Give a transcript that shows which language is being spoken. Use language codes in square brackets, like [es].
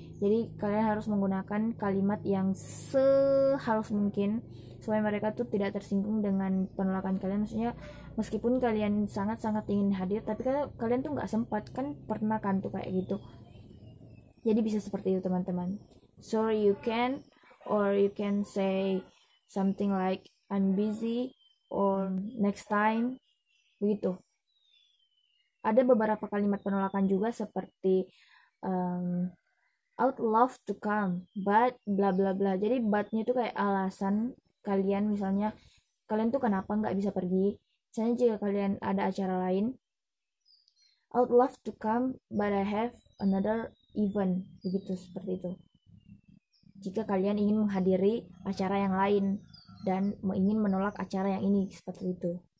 [id] Jadi kalian harus menggunakan kalimat yang sehalus mungkin supaya mereka tuh tidak tersinggung dengan penolakan kalian. Maksudnya meskipun kalian sangat-sangat ingin hadir, tapi kalian tuh gak sempat, kan pernah kan tuh kayak gitu. Jadi bisa seperti itu teman-teman. [en] Sorry you can, or you can say something like I'm busy or next time [id] begitu. Ada beberapa kalimat penolakan juga seperti [en] I would love to come but bla bla [id] bla. Jadi but-nya itu kayak alasan kalian, misalnya kalian tuh kenapa enggak bisa pergi? Misalnya jika kalian ada acara lain. [en] I would love to come but I have another event [id] begitu, seperti itu. Jika kalian ingin menghadiri acara yang lain dan ingin menolak acara yang ini, seperti itu.